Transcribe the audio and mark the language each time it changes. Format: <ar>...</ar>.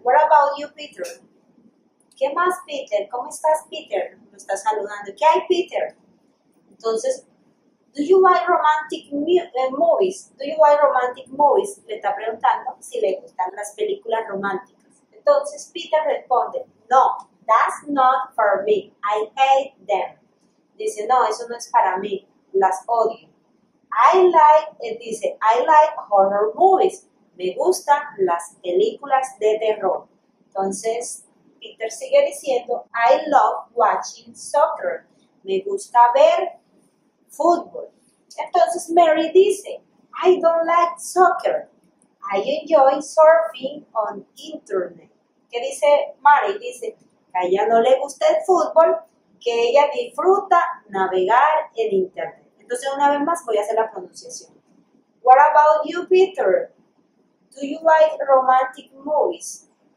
<en>What about you, Peter?</en> <es>¿Qué más, Peter? ¿Cómo estás, Peter? Lo está saludando. ¿Qué hay, Peter? Entonces,</es> <en>do you like romantic movies? Do you like romantic movies?</en> <es>Le está preguntando si le gustan las películas románticas. Entonces, Peter responde, no,</es> <en>that's not for me. I hate them.</en> <es>Dice, no, eso no es para mí. Las odio.</es> <en>I like horror movies.</en> <es>Me gustan las películas de terror. Entonces, Peter sigue diciendo,</es> <en>I love watching soccer.</en> <es>Me gusta ver fútbol. Entonces Mary dice,</es> <en>I don't like soccer. I enjoy surfing on internet.</en> <es>¿Qué dice Mary? Dice que a ella no le gusta el fútbol, que ella disfruta navegar en internet. Entonces una vez más voy a hacer la pronunciación.</es> <en>What about you, Peter? Do you like romantic movies?</en>